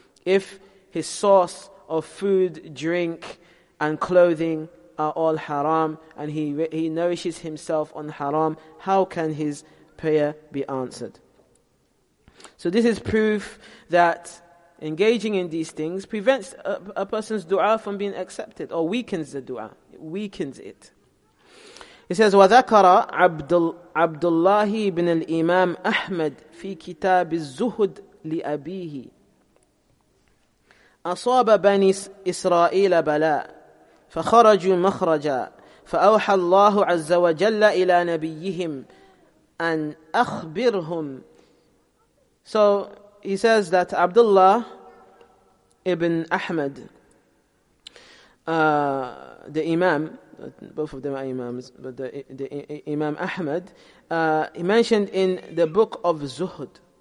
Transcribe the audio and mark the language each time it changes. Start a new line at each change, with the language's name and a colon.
English: If his source of food, drink, and clothing are all haram, and he nourishes himself on haram, how can his prayer be answered? So this is proof that engaging in these things prevents a person's dua from being accepted, or weakens the dua. It weakens it. It says,
Arabic: وَذَكَرَ عَبْدُ اللَّهِ بِنَ الْإِمَامِ أَحْمَدِ فِي كِتَابِ الزُّهُدِ لِأَبِيهِ أَصَابَ بَنِي إِسْرَائِيلَ بَلَاءً فخرجوا مخرجا فأوحى الله عز وجل إلى نبيهم أن أخبرهم.
English: So he says that Abdullah ibn Ahmad, the Imam, both of them are Imams, but the Imam Ahmad, he mentioned in the Book of Zuhud,